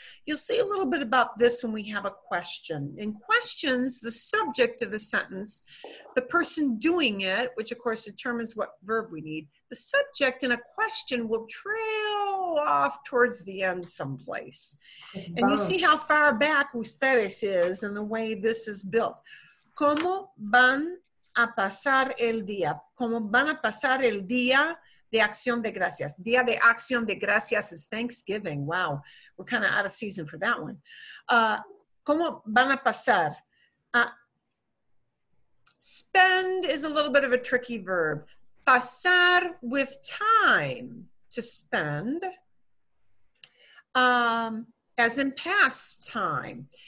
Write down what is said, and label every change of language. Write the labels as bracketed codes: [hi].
[en] You'll see a little bit about this when we have a question. In questions, the subject of the sentence, the person doing it, which of course determines what verb we need, the subject in a question will trail off towards the end someplace. And you see how far back ustedes is and the way this is built. [es] ¿Cómo van a pasar el día? ¿Cómo van a pasar el día de Acción de Gracias? Día de Acción de Gracias [en] is Thanksgiving. Wow. We're kind of out of season for that one. [es] ¿Cómo van a pasar? [en] Spend is a little bit of a tricky verb. Pasar with time to spend, as in past time.